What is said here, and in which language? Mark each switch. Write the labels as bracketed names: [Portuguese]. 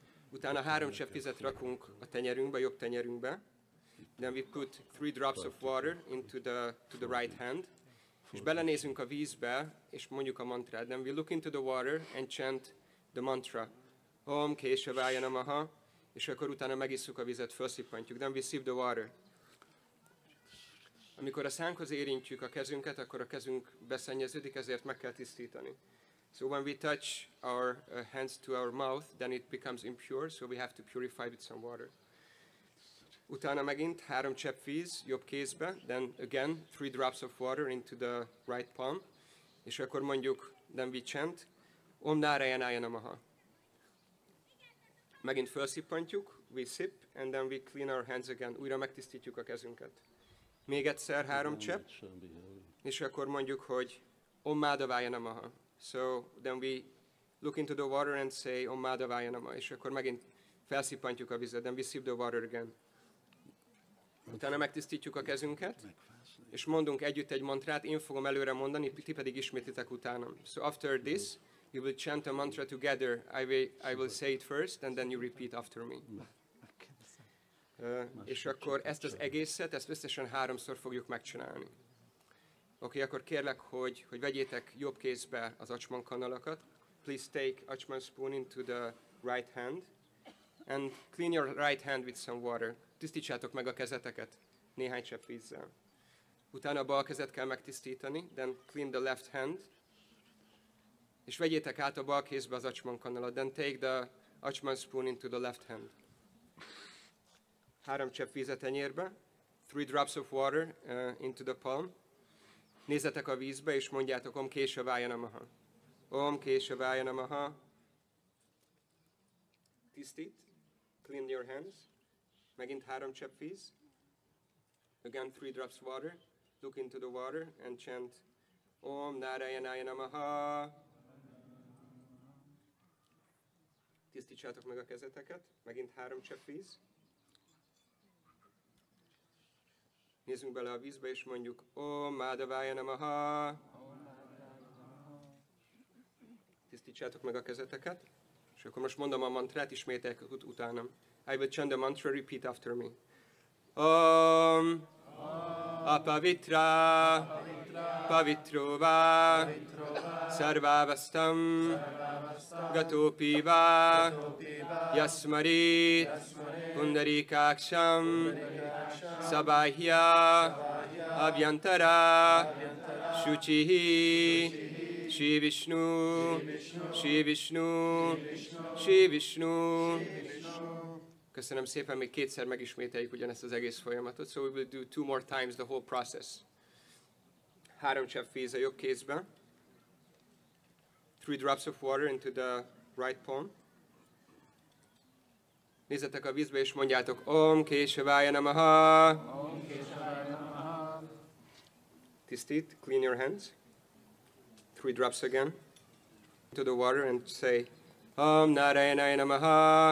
[Hungarian] Utána három csepp vizet rakunk a tenyerünkbe, jobb tenyerünkbe. [English] Then we put three drops of water into the right hand. [Hungarian] És belenézünk a vízbe, és mondjuk a mantra. [English] Then we look into the water and chant the mantra. [Sanskrit] Om Keshavaya Namaha. [Hungarian] És akkor utána megisszuk a vizet, felszippantjuk. [English] Then we sip the water. [Hungarian] Amikor a szánkhoz érintjük a kezünket, akkor a kezünk beszennyeződik, ezért meg kell tisztítani. [English] So when we touch our hands to our mouth, then it becomes impure, so we have to purify with some water. [Hungarian] Utána megint három csepp víz jobb kézbe, [English] then again three drops of water into the right palm, [Hungarian] és akkor mondjuk, [English] then we chant, [Sanskrit] Om Narayanaya Namaha. [Hungarian] Megint felszippantjuk, [English] we sip, and then we clean our hands again, [Hungarian] újra megtisztítjuk a kezünket. Még egyszer három csepp, és akkor mondjuk, hogy [Sanskrit] Om Mādhavanada Prabhu. [English] So then we look into the water and say [Sanskrit] Om Mādhavanada Prabhu, [Hungarian] és akkor megint felszippantjuk a vizet, [English] then we sip the water again. [Hungarian] Utána megtisztítjuk a kezünket, és mondunk együtt egy mantrát, én fogom előre mondani, ti pedig ismétlitek utánam. [English] So after this, you will chant a mantra together. I will say it first, and then you repeat after me. [Hungarian] És akkor ezt az egészet, ezt összesen háromszor fogjuk megcsinálni. Oké, akkor kérlek, hogy vegyétek jobb kézbe az acsman kanalakat. [English] Please take acsman spoon into the right hand, and clean your right hand with some water. [Hungarian] Tisztítsátok meg a kezeteket néhány csepp vízzel. Utána a bal kezet kell megtisztítani, [English] then clean the left hand, [Hungarian] és vegyétek át a bal kézbe az acsman kanalat, [English] then take the acsman spoon into the left hand. [Hungarian] Három csepp vízet a tenyérbe, [English] three drops of water into the palm. [Hungarian] Nézzetek a vízbe, és mondjátok, [Sanskrit] Om Keshavaya Namaha. Om Keshavaya Namaha. [Hungarian] Tisztít, [English] clean your hands. [Hungarian] Megint három csepp víz. [English] Again, three drops water. Look into the water and chant [Sanskrit] Om Narayanaya Namaha. [Hungarian] Tisztítsátok meg a kezeteket. Megint három csepp víz. Nézzünk bele a vízbe és mondjuk [Sanskrit] Om Mādhavanada Prabhu. [Hungarian] Tisztítsátok meg a kezeteket. És akkor most mondom a mantrát, ismételjük utánam. [English] I will chant the mantra, repeat after me. [Sanskrit] Om apavitra pavitrova sarvavastam gatopiva yasmarit pundarikaksham sabahya abhyantara shuchihi Shri Vishnu, Shri Vishnu, Shri Vishnu. [Hungarian] Köszönöm szépen, még kétszer megismételjük ugyanezt az egész folyamatot. [English] So we will do two more times the whole process. [Hungarian] három cseppvíz a jobb kézbe. [English] Three drops of water into the right palm. [Hungarian] Nézzetek a vízbe és mondjátok [Sanskrit] Om Keshavaya Namaha. Om Keshavaya Namaha. [Hungarian] Tisztít, [English] clean your hands. Three drops again into the water and say [Sanskrit] Om Narayanaya Namaha.